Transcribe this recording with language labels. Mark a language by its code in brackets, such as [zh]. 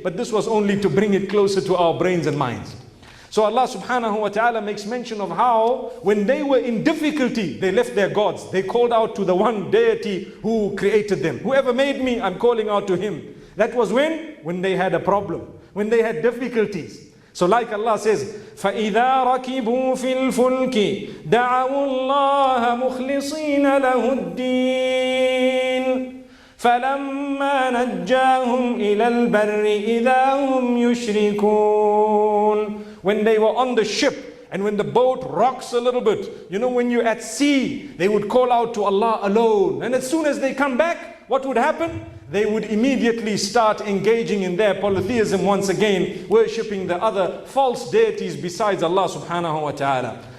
[en] But this was only to bring it closer to our brains and minds. So Allah subhanahu wa ta'ala makes mention of how when they were in difficulty, they left their gods. They called out to the one deity who created them. Whoever made me, I'm calling out to him. That was when they had a problem, when they had difficulties. So like Allah says, [ar] فَإِذَا رَكِبُوا فِي الْفُلْكِ دَعَوُوا اللَّهَ مُخْلِصِينَ لَهُ الدِّينَ فَلَمَّا نَجَّاهُمْ إِلَى الْبَرِّ إِذَا هُمْ يُشْرِكُونَ. [en] When they were on the ship and when the boat rocks a little bit, you know, when you're at sea, they would call out to Allah alone. And as soon as they come back, what would happen? They would immediately start engaging in their polytheism once again, worshipping the other false deities besides Allah subhanahu wa ta'ala.